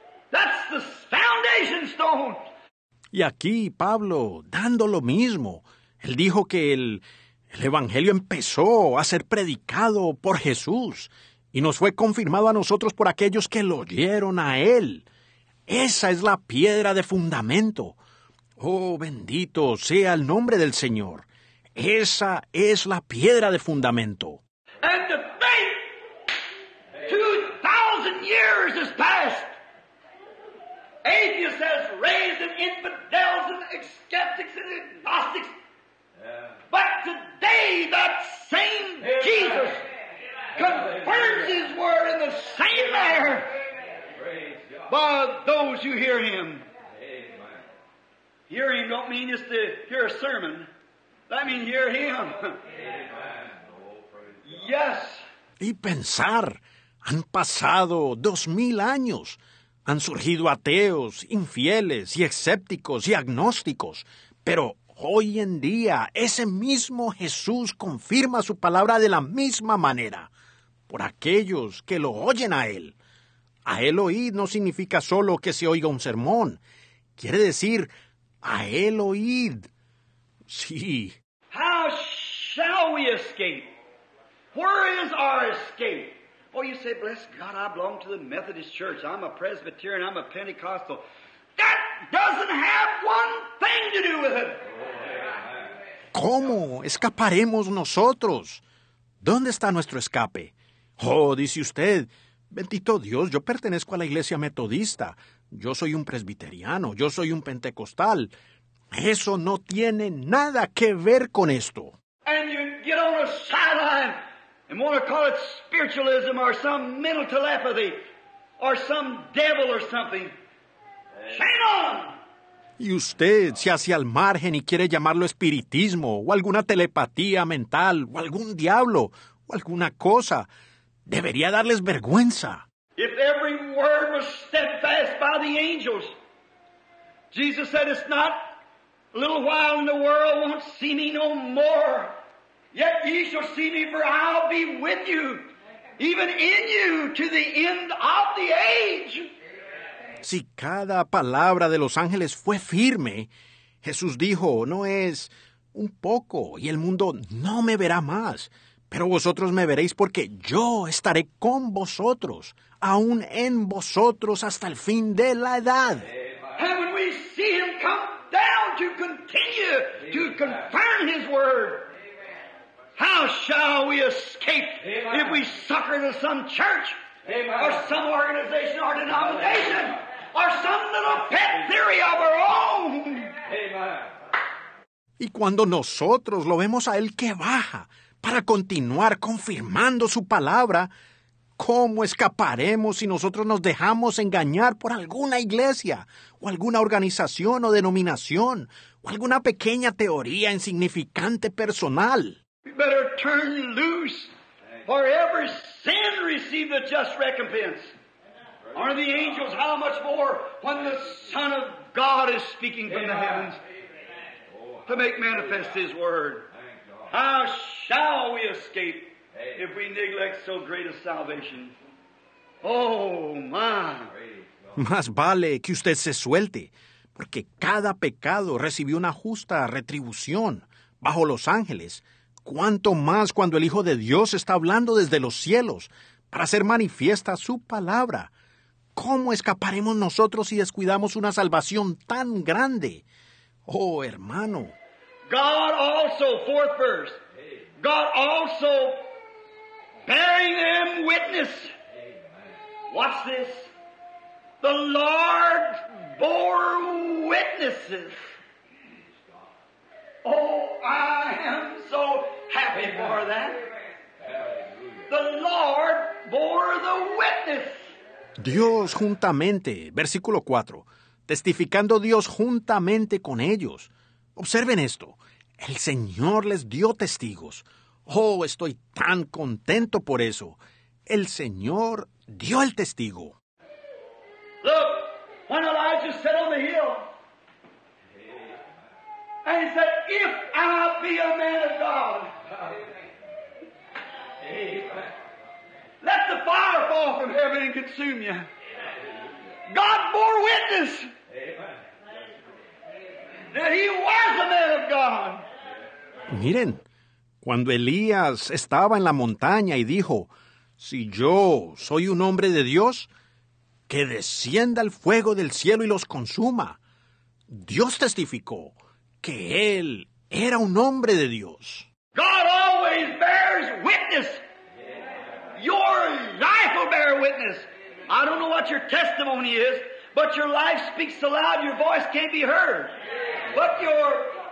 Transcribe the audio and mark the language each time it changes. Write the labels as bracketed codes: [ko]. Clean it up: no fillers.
[en] That's the foundation stone. [es] Y aquí Pablo, dando lo mismo, él dijo que el evangelio empezó a ser predicado por Jesús y nos fue confirmado a nosotros por aquellos que lo oyeron a él. Esa es la piedra de fundamento. Oh, bendito sea el nombre del Señor. Esa es la piedra de fundamento. [en] And to think, 2,000 years has passed. Atheists has raised in infidels and skeptics and agnostics. day, that same Jesus confirms his word in the same manner by those who hear him. Hear him don't mean just to hear a sermon. That means hear him. Yes. [es] Y pensar, han pasado 2,000 años. Han surgido ateos, infieles y escépticos y agnósticos. Pero hoy en día, ese mismo Jesús confirma su palabra de la misma manera, por aquellos que lo oyen a Él. A Él oír no significa solo que se oiga un sermón. Quiere decir, a Él oír. Sí. [en] How shall we escape? Where is our escape? Oh, you say, bless God, I belong to the Methodist Church. I'm a Presbyterian, I'm a Pentecostal. That doesn't have one thing to do with it. [es] ¿Cómo escaparemos nosotros? ¿Dónde está nuestro escape? Oh, dice usted, bendito Dios, yo pertenezco a la iglesia metodista. Yo soy un presbiteriano, yo soy un pentecostal. Eso no tiene nada que ver con esto. [en] And you get on a sideline and want to call it spiritualism or some mental telepathy or some devil or something. Shame on! [es] Y usted se hace al margen y quiere llamarlo espiritismo o alguna telepatía mental o algún diablo o alguna cosa. Debería darles vergüenza. [en] If every word was steadfast by the angels, Jesus said, it's not a little while and the world won't see me no more. Yet ye shall see me, for I'll be with you, even in you, to the end of the age. [es] Si cada palabra de los ángeles fue firme, Jesús dijo, no es un poco, y el mundo no me verá más, pero vosotros me veréis porque yo estaré con vosotros, aún en vosotros hasta el fin de la edad. [en] And when we see him come down to continue to confirm his word, how shall we escape if we sucker to some church or some organization or denomination? Or some little pet theory of our own. [es] Y cuando nosotros lo vemos a él que baja para continuar confirmando su palabra, ¿cómo escaparemos si nosotros nos dejamos engañar por alguna iglesia o alguna organización o denominación o alguna pequeña teoría insignificante personal? [en] We better turn loose, for every sin receive the just recompense. Are the angels how much more when the Son of God is speaking from the heavens to make manifest his word? How shall we escape if we neglect so great a salvation? Oh, my! [es] Más vale que usted se suelte, porque cada pecado recibió una justa retribución bajo los ángeles. ¿Cuánto más cuando el Hijo de Dios está hablando desde los cielos para hacer manifiesta su palabra? ¿Cómo escaparemos nosotros si descuidamos una salvación tan grande? Oh, hermano. [en] God also, fourth verse. God also bearing them witness. Watch this. The Lord bore witnesses. Oh, I am so happy for that. The Lord bore the witness. [es] Dios juntamente, versículo 4, testificando Dios juntamente con ellos. Observen esto, el Señor les dio testigos. Oh, estoy tan contento por eso. El Señor dio el testigo. [en] Look, when Elijah sat on the hill, and he said, if I be a man of God, let the fire fall from heaven and consume you. God bore witness that he was a man of God. [es] Miren, cuando Elías estaba en la montaña y dijo, si yo soy un hombre de Dios, que descienda el fuego del cielo y los consuma. Dios testificó que él era un hombre de Dios. [en] God always bears witness. Your life will bear witness. I don't know what your testimony is, but your life speaks so loud your voice can't be heard. But your